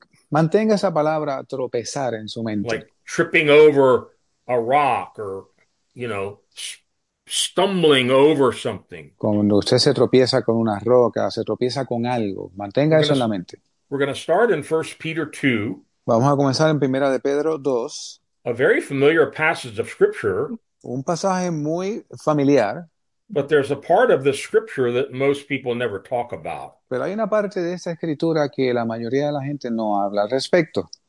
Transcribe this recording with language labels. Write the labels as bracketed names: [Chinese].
[Spanish] Mantenga esa palabra tropezar en su mente. [English] Like tripping over a rock or, stumbling over something. [Spanish] Cuando usted se tropieza con una roca, se tropieza con algo, mantenga eso en la mente. [English] We're going to start in 1 Peter 2. [Spanish] Vamos a comenzar en Primera de Pedro 2, [English] A very familiar passage of scripture, [Spanish] un pasaje muy familiar, [English] but there's a part of the scripture that most people never talk about. [Spanish] pero hay una parte de esta escritura que la mayoría de la gente no habla al respecto.